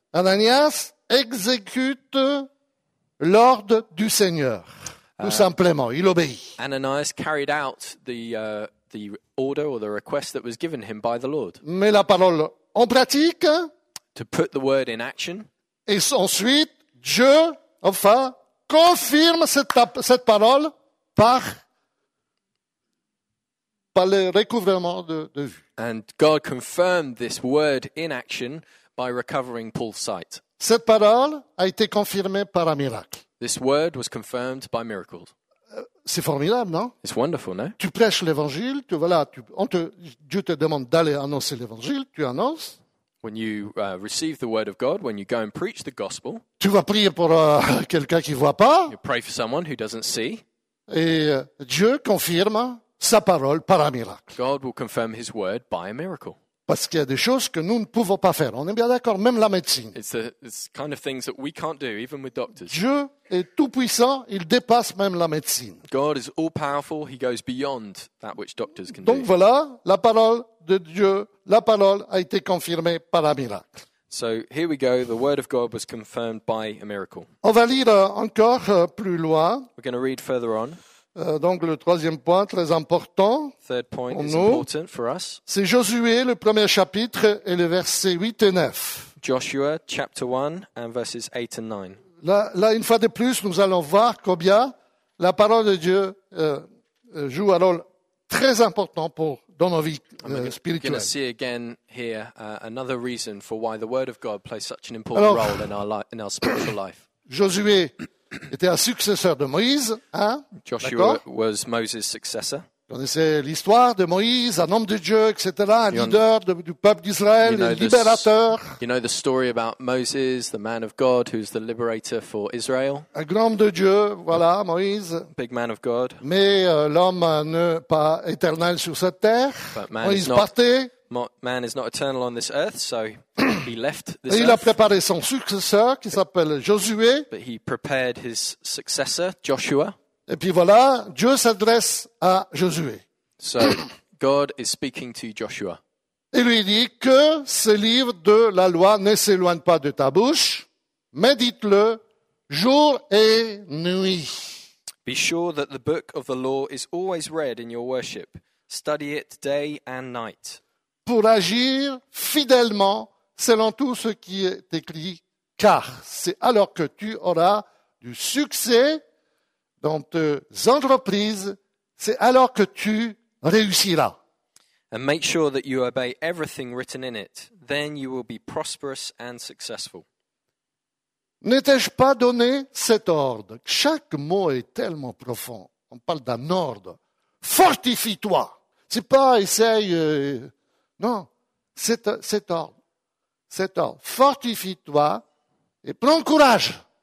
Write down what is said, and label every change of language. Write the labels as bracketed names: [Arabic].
[French] Ananias exécute l'ordre du Seigneur. Tout simplement, il obéit. [English] Ananias carried out the order or the request that was given him by the Lord. [French] Met la parole en pratique. [English] To put the word in action. [French] Et ensuite, Dieu, enfin, confirme cette parole par le recouvrement de vue. [English] And God confirmed this word in action by recovering Paul's sight. [French] Cette parole a été confirmée par un miracle. [English] This word was confirmed by miracles. [French] C'est formidable, non? [English] It's wonderful, non? [French] Tu prêches l'évangile, Dieu te demande d'aller annoncer l'évangile, tu annonces. [English] When you receive the word of God, when you go and preach the gospel. [French] Tu vas prier pour quelqu'un qui voit pas. [English] You pray for someone who doesn't see. [French] Et Dieu confirme sa parole par un miracle. [English] God will confirm his word by a miracle. [French] Parce qu'il y a des choses que nous ne pouvons pas faire. On est bien d'accord, même la médecine. [English] It's kind of things that we can't do, even with doctors. [French] Dieu est tout puissant, il dépasse même la médecine. [English] God is all powerful, he goes beyond that which doctors can do. [French] Donc voilà, la parole de Dieu, la parole a été confirmée par un miracle. [English] So here we go, the word of God was confirmed by a miracle. [French] On va lire encore plus loin. [English] We're going to read further on. [French] Donc le troisième point très important [English] Third point [French] pour [English] is [French] nous, [English] important for us. [French] C'est Josué, le premier chapitre et les versets 8 et 9. [English] Joshua, chapter 1, and verses 8 and 9. [French] Là, une fois de plus, nous allons voir combien la parole de Dieu joue un rôle très important pour dans nos vies spirituelles. [English] We're going to see again here another reason for why the word of God plays such an important role in our spiritual life. [French] Josué était un successeur de Moïse, hein? [English] Joshua was Moses' successor. [French] Connaissez l'histoire de Moïse, un homme de Dieu, etc., un leader du peuple d'Israël, un libérateur. [English] You know the story about Moses, the man of God, who's the liberator for Israel. [French] Un grand homme de Dieu, voilà, Moïse. [English] Big man of God. [French] Mais l'homme n'est pas éternel sur cette terre. [English] But [French] Moïse partait. [English] Man is not eternal on this earth, so he left this [French] Et il [English] earth. [French] A préparé son successeur qui s'appelle Josué. [English] But he prepared his successor, Joshua. [French] Et puis voilà, Dieu s'adresse à Josué. [English] So God is speaking to Joshua. [French] Il lui dit que ce livre de la loi ne s'éloigne pas de ta bouche, médite-le jour et nuit. [English] Be sure that the book of the law is always read in your worship. Study it day and night. [French] Pour agir fidèlement selon tout ce qui est écrit, car c'est alors que tu auras du succès dans tes entreprises, c'est alors que tu réussiras. [English] And make sure that you obey everything written in it, then you will be prosperous and successful. [French] N'étais-je pas donné cet ordre? Chaque mot est tellement profond. On parle d'un ordre. Fortifie-toi. C'est pas essaye. Non, cet ordre. Fortifie-toi et prends courage.